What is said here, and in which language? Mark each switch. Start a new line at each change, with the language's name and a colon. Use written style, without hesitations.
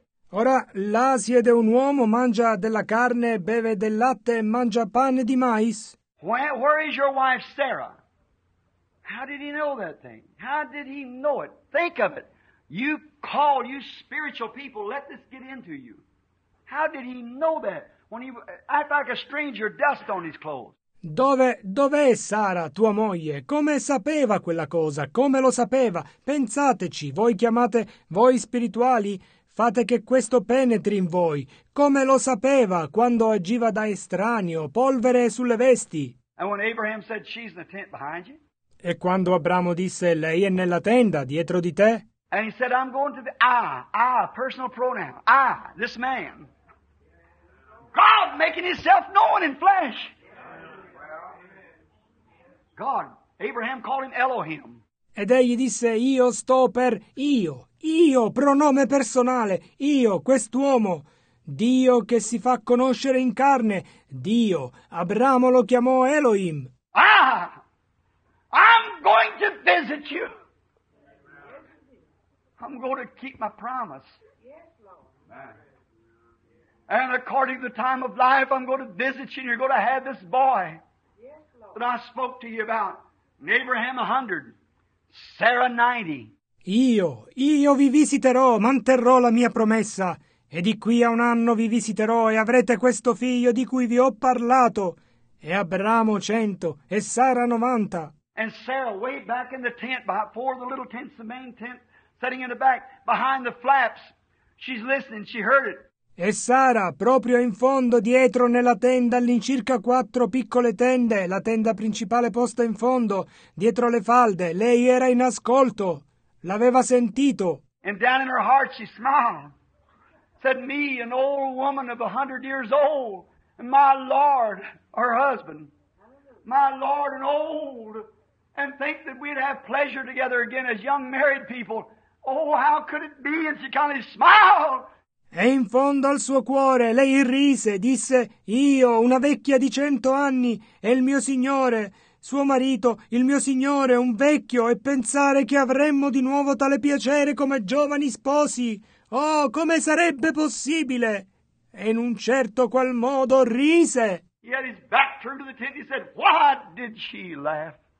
Italian: Ora là siede un uomo, mangia della carne, beve del latte e mangia pane di mais.
English: Where is your wife Sarah? How did he know that thing? How did he know it? Think of it. You call, you spiritual people, let this get into you. How did he know that? When he act like a stranger, dust on his clothes.
Italian: Dov'è Sara, tua moglie? Come sapeva quella cosa? Come lo sapeva? Pensateci, voi chiamate, voi spirituali, fate che questo penetri in voi. Come lo sapeva quando agiva da estraneo, polvere sulle vesti?
English: And when Abraham said, she's in the tent behind you.
Italian: E quando Abramo disse, lei è nella tenda, dietro di te?
English: And he said, I'm going to the, personal pronoun, this man. God making himself known in flesh. God, Abraham called him Elohim.
Italian: Ed egli disse, io sto per io, pronome personale, io, quest'uomo, Dio che si fa conoscere in carne, Dio, Abramo lo chiamò Elohim.
English: I'm going to visit you. I'm going to keep my promise. Yes, Lord. And according to the time of life, I'm going to visit you and you're going to have this boy. That I spoke to you about. Abraham 100, Sarah 90.
Italian: Io vi visiterò, manterrò la mia promessa, e di qui a un anno vi visiterò e avrete questo figlio di cui vi ho parlato. E Abramo 100 e Sara 90.
English: And Sarah way back in the tent, by four of the little tents, the main tent, sitting in the back, behind the flaps. She's listening, she heard it.
Italian: E Sara, proprio in fondo, dietro nella tenda, all'incirca quattro piccole tende, la tenda principale posta in fondo, dietro le falde, lei era in ascolto, l'aveva sentito.
English: And down in her heart she smiled, said, me, an old woman of 100 years old, and my Lord, her husband, my Lord and old, and think that we'd have pleasure together again as young married people. Oh, how could it be? And she kind of smiled.
Italian: E in fondo al suo cuore lei rise, disse, io, una vecchia di 100 anni, e il mio signore, suo marito, il mio signore, un vecchio, e pensare che avremmo di nuovo tale piacere come giovani sposi. Oh, come sarebbe possibile? E in un certo qual modo rise.
English: He had his back turned to the tent, he said, why did she laugh?